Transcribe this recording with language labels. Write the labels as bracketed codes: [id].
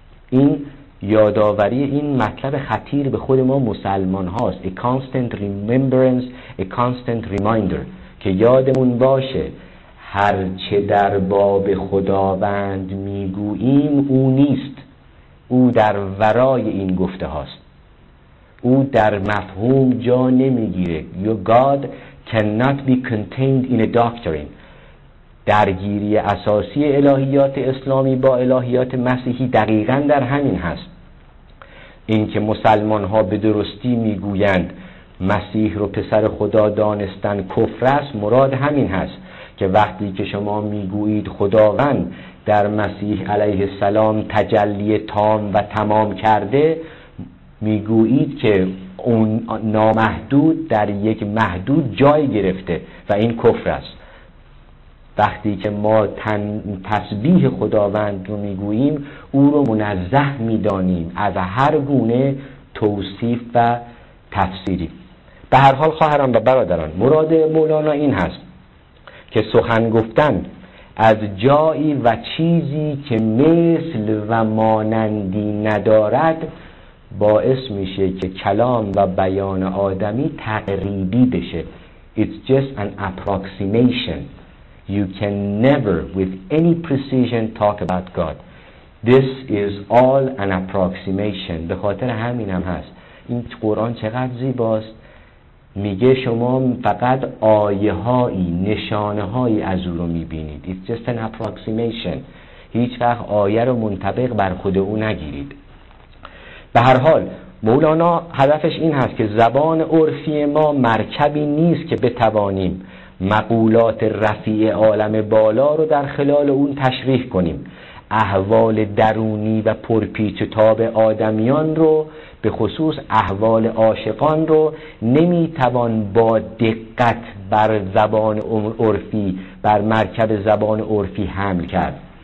[fa] این یاداوری، این مطلب خطیر به خود ما مسلمان هاست، [en] a constant remembrance, a constant reminder، [fa] که یادمون باشه هر چه در باب خداوند میگوییم او نیست، او در ورای این گفته هاست، او در مفهوم جا نمیگیره. [en] Your God cannot be contained in a doctrine. [fa] درگیری اساسی الهیات اسلامی با الهیات مسیحی دقیقاً در همین هست. اینکه مسلمان ها به درستی میگویند مسیح رو پسر خدا دانستن کفر است، مراد همین هست که وقتی که شما میگویید خداوند در مسیح علیه السلام تجلی تام و تمام کرده، میگویید که اون نامحدود در یک محدود جای گرفته و این کفر است. وقتی که ما تسبیح خداوند رو میگوییم او رو منزه میدانیم از هر گونه توصیف و تفسیری. به هر حال خواهران و برادران، مراد مولانا این هست که سخن گفتن از جایی و چیزی که مثل و مانندی ندارد باعث میشه که کلام و بیان آدمی تقریبی بشه. [en] It's just an approximation. You can never with any precision talk about God. This is all an approximation. [fa] به خاطر همین هم هست این قرآن چقدر زیباست، میگه شما فقط آیه هایی نشانه هایی از او رو میبینید. [en] It's just an approximation. [fa] هیچ وقت آیه رو منطبق بر خود او نگیرید. به هر حال مولانا هدفش این هست که زبان عرفی ما مرکبی نیست که بتوانیم مقولات رفیع عالم بالا رو در خلال اون تشریح کنیم، احوال درونی و پرپیچ و تاب آدمیان رو، به خصوص احوال عاشقان رو، نمیتوان با دقت بر زبان عرفی، بر مرکب زبان عرفی حمل کرد.